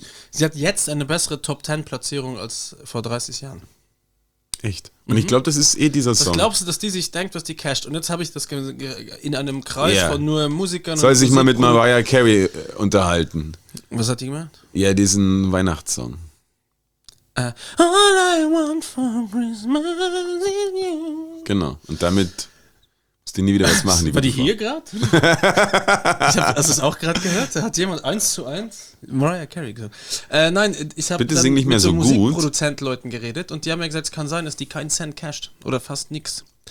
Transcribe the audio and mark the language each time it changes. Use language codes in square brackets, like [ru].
[de] Sie hat jetzt eine bessere Top-10-Platzierung als vor 30 Jahren. Echt? Und ich glaube, das ist eh dieser Song. Was glaubst du, dass die sich denkt, was die casht? Und jetzt habe ich das in einem Kreis von nur Musikern. Soll sich mal mit Mariah Carey unterhalten. Was hat die gemacht? Ja, diesen Weihnachtssong. [en] All I want for Christmas is you. [de] Genau, und damit musst du nie wieder was machen. War die hier gerade? Ich habe das auch gerade gehört. Da hat jemand 1:1 Mariah Carey gesagt. Nein, ich habe dann nicht mehr mit so Musikproduzent-Leuten geredet und die haben mir gesagt, es kann sein, dass die keinen Cent casht oder fast nichts.